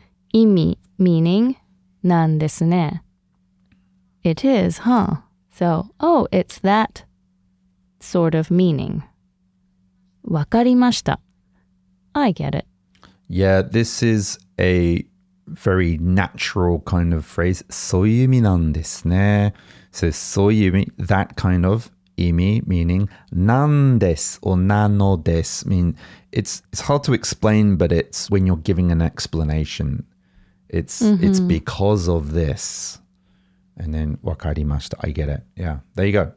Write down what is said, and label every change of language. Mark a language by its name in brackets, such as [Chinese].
[English] 意味, meaning, [Japanese] なんですね. [English] It is, huh? So, oh, it's that sort of meaning. [Japanese] わかりました. [English] I get it. Yeah, this is a very natural kind of phrase. [Japanese] そういう意味なんですね. [English] So, [Japanese] そういう意味, [English] that kind of 意味, meaning [Japanese] 何です [English] or [Japanese] 何のです. [English] I mean, it's hard to explain, but it's when you're giving an explanation. It's it's because of this. And then [Japanese] 分かりました. [English] I get it. Yeah, there you go.